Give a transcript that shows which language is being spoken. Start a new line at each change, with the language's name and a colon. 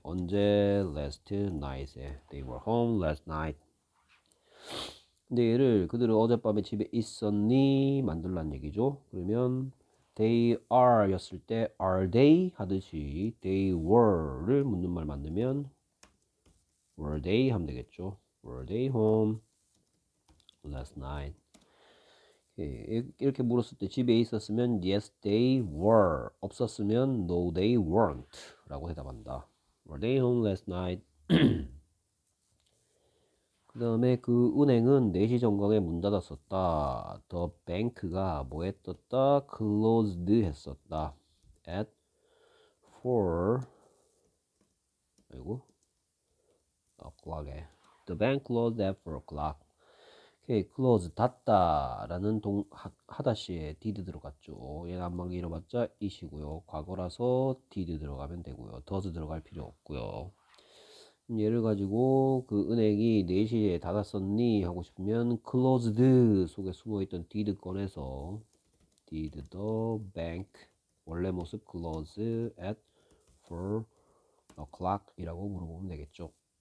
Korean: 언제? last night에.
English: they were home last night.
Korean: 근데 얘를 그들은 어젯밤에 집에 있었니 만들란 얘기죠. 그러면 they are였을 때 are they 하듯이 they were를 묻는 말 만들면 were they 하면 되겠죠.
English: Were they home last night?
Korean: 이렇게 물었을 때 집에 있었으면 yes they were, 없었으면 no they weren't 라고 대답한다.
English: Were they home last night?
Korean: 그 다음에 그 은행은 4시 전광에 문 닫았었다. The bank가 뭐 했었다? Closed 했었다. At 4 아이고 o'clock에
English: The bank closed at 4 o'clock.
Korean: Okay, close 닫다라는 동 하다시에 did 들어갔죠. 얘가 한번 잃어봤자 is이고요. 과거라서 did 들어가면 되고요. does 들어갈 필요 없고요. 예를 가지고 그 은행이 4시에 닫았었니 하고 싶으면 closed 속에 숨어있던 did 꺼내서 did the bank 원래 모습 close at 4 o'clock 이라고 물어보면 되겠죠.